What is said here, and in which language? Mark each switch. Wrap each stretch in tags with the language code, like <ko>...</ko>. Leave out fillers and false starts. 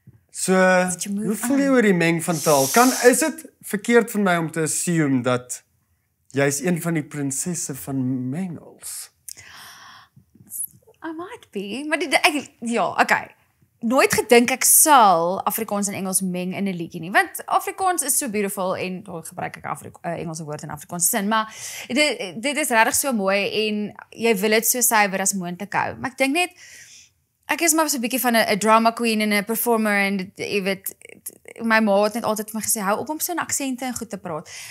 <af>So, hoe voel jy oor die meng van taal? Is het verkeerd van my om te assume dat jy is een van die prinsesse van mengels?</af> <en>I might be. Maar okay.</en> <af>Nooit gedink ek sal Afrikaans en Engels meng in 'n liedjie nie, want Afrikaans is so beautiful en daar gebruik ek Engelse woord in Afrikaanse sin, maar dit is regtig so mooi en jy wil dit so suiwer as moontlik hou. Maar ek dink net, ek is maar so 'n bietjie van 'n drama queen en 'n performer en my ma het net altyd vir my gesê, hou op om so 'n aksente en goed te praat.</af>